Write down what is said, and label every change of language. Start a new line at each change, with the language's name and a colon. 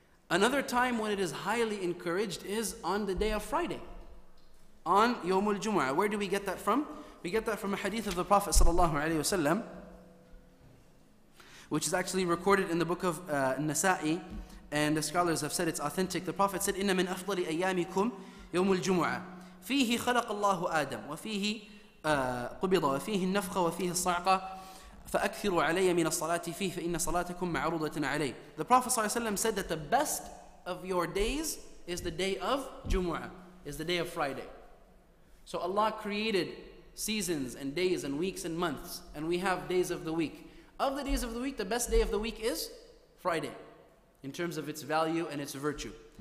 English: Another time when it is highly encouraged is on the day of Friday, on Yawm al-Jumu'ah. Where do we get that from? We get that from a hadith of the Prophet sallallahu alayhi wa sallam, which is actually recorded in the book of Nasa'i, and the scholars have said it's authentic. The Prophet said,
Arabic: إِنَّ مِنْ أَفْضَلِ أَيَّامِكُمْ يَوْمُ الْجُمُعَةِ فيه خلق الله آدم وفيه قبض وفيه النفخ وفيه الصعقة فأكثر علي من الصلاة فيه فإن صلاتكم معروضة علي.
English: The Prophet ﷺ said that the best of your days is the day of Jumu'ah, is the day of Friday. So Allah created seasons and days and weeks and months, and we have days of the week. Of the days of the week, the best day of the week is Friday in terms of its value and its virtue.